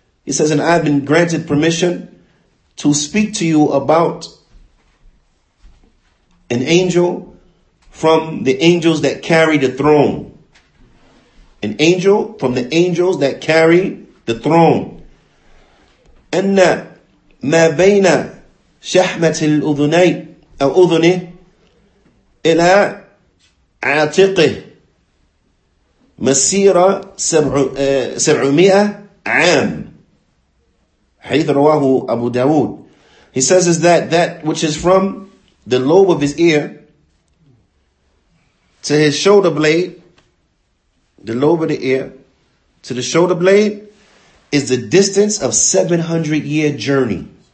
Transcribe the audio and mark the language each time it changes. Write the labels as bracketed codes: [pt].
[en] He says, and I've been granted permission to speak to you about an angel from the angels that carry the throne. An angel from the angels that carry the throne. [ar] أن ما بين شحمة الأذنين أو أذنه إلى عاتقه مسيرة 700 عام حيث رواه أبو داود. [en] He says is that which is from the lobe of his ear to his shoulder blade, the lobe of the ear to the shoulder blade, is the distance of 700-year journey.